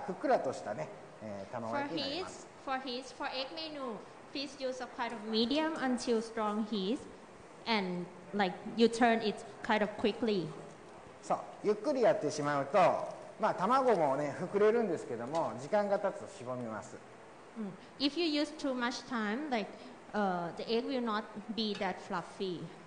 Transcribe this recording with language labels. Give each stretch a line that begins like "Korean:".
Japanese: まあ、火加減はね、お好みでやってもらえたらいいとは思うんですけども、まあ、なるべく慣れてきたらですね、強い火で早く巻くっていうことをした方がふっくらとしたね、卵焼きになります。For
English: egg menu, please use a kind of medium until strong heat, and like you turn it kind of quickly.
Japanese: そう、ゆっくりやってしまうと、まあ、卵もね、膨れるんですけども、時間が経つとしぼみます。
English: If you use too much time, the egg will not be that fluffy.